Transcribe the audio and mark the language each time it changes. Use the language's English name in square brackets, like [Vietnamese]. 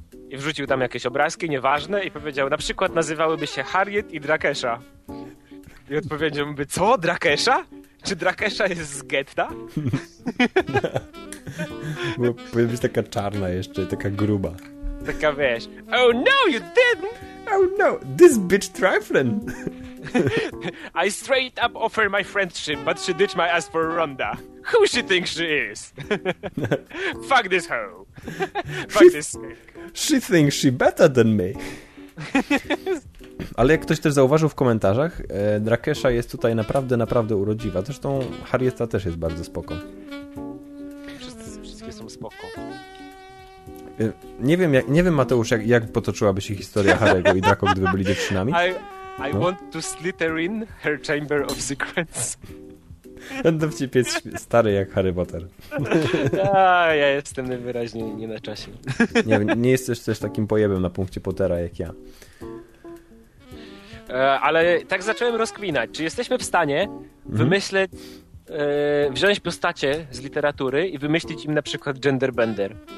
[Polish] I wrzucił tam jakieś obrazki, nieważne, i powiedział, na przykład nazywałyby się Harriet i Drakesha. I odpowiedział by, co, Drakesha? Czy Drakesha jest z getta? Bo powinna być taka czarna jeszcze, taka gruba. Taka, wiesz, [English] oh no, you didn't! Oh no, this bitch trifling! I straight up offer my friendship, but she ditched my ass for Rhonda. Who she thinks she is? Fuck this hoe. Fuck this snake. She thinks she better than me. [Polish] Ale jak ktoś też zauważył w komentarzach, Drakesha jest tutaj naprawdę, naprawdę urodziwa. Zresztą Harrieta też jest bardzo spoko. Wszystkie są spoko. Nie wiem, Mateusz, jak potoczyłaby się historia Harry'ego i Draco, gdyby byli dziewczynami. [English] I want to slither in her chamber of secrets. [Polish] Ten dowcip jest stary jak Harry Potter. Ja jestem najwyraźniej nie na czasie. Nie jesteś też takim pojebem na punkcie Pottera jak ja. Ale tak zacząłem rozkminać. Czy jesteśmy w stanie wymyślić, wziąć postacie z literatury i wymyślić im na przykład genderbender?